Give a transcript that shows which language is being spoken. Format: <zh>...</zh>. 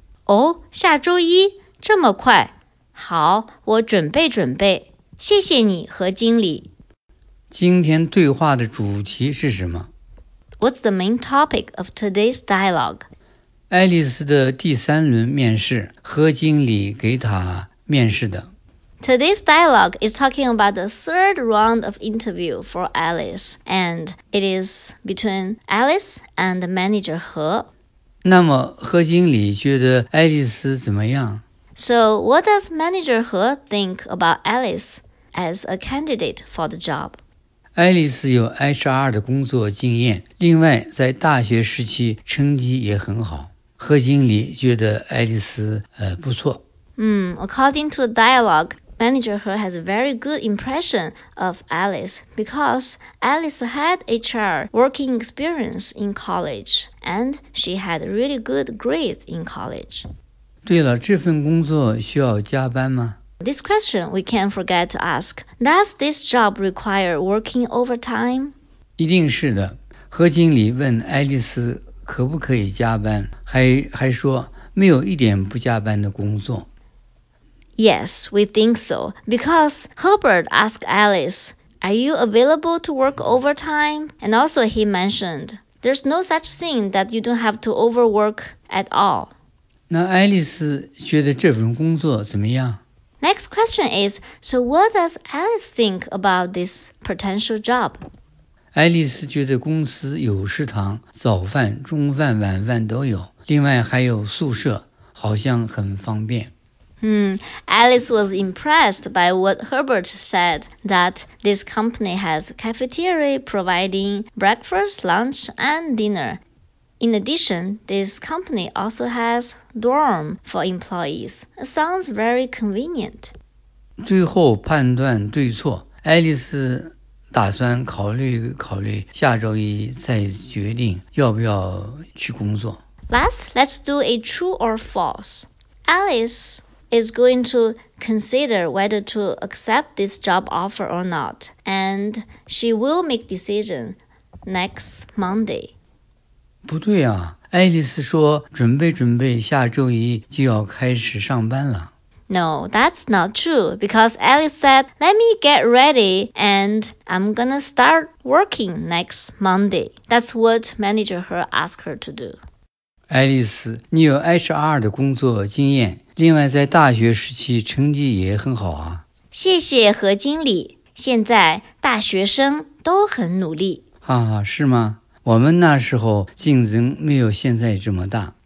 <zh>哦，下周一？这么快？好，我准备准备。谢谢你，何经理。今天对话的主题是什么</zh> <en>？What's the main topic of today's dialogue?</en> <zh>爱丽丝的第三轮面试，何经理给她面试的。</zh> <en>Today's dialogue is talking about the third round of interview for Alice, and it is between Alice and the manager He.</en> <zh>那么何经理觉得爱丽丝怎么样？</zh> <en>So what does manager He think about Alice as a candidate for the job?</en> <zh>爱丽丝有 HR 的工作经验，另外在大学时期成绩也很好。何经理觉得爱丽丝不错。</zh> <en>According to the dialogue, manager He has a very good impression of Alice because Alice had HR working experience in college and she had really good grades in college.</en> <zh>对了，这份工作需要加班吗？</zh> <en>This question we can't forget to ask. Does this job require working overtime?</en> <zh>一定是的。何经理问爱丽丝可不可以加班，还说没有一点不加班的工作。</zh> <en>Yes, we think so. Because Herbert asked Alice, are you available to work overtime? And also he mentioned, there's no such thing that you don't have to overwork at all.</en> <zh>那爱丽丝觉得这份工作怎么样？</zh> <en>Next question is, so what does Alice think about this potential job?</en> <zh>爱丽丝觉得公司有食堂，早饭、中饭、晚饭都有，另外还有宿舍，好像很方便。</zh> <en>Alice was impressed by what Herbert said, that this company has cafeteria providing breakfast, lunch, and dinner. In addition, this company also has dorm for employees. It sounds very convenient.</en> <zh>最后判断对错，爱丽丝打算考虑考虑，下周一再决定要不要去工作。</zh> <en>Last, let's do a true or false. Alice is going to consider whether to accept this job offer or not, and she will make decision next Monday.</en> <zh>不对啊，爱丽丝说准备准备下周一就要开始上班了。</zh> <en>No, that's not true, because Alice said, let me get ready and I'm gonna start working next Monday. That's what manager her asked her to do.</en> <zh>爱丽丝，你有 HR 的工作经验，另外在大学时期成绩也很好啊。谢谢何经理，现在大学生都很努力。哈哈，是吗？我们那时候竞争没有现在这么大。</zh>